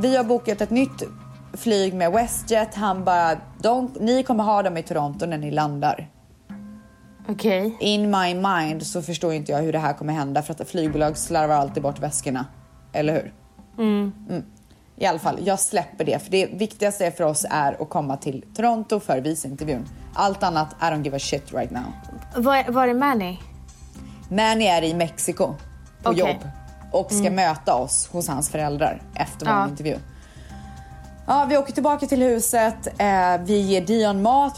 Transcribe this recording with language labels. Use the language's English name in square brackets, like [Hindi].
[Swedish] Vi har bokat ett nytt flyg med WestJet. Han bara, ni kommer ha dem i Toronto när ni landar. Okej. [English] Okay. In my mind [Swedish] så förstår inte jag hur det här kommer hända, för att flygbolag slarvar alltid bort väskorna. Eller hur? I alla fall, jag släpper det. För det viktigaste för oss är att komma till Toronto för visintervjun. Allt annat, [English] I don't give a shit right now. [Swedish] Var är Manny? Manny är i Mexiko. På okay. jobb. Och ska möta oss hos hans föräldrar efter vår intervju. Ja, vi åker tillbaka till huset. Vi ger Dion mat.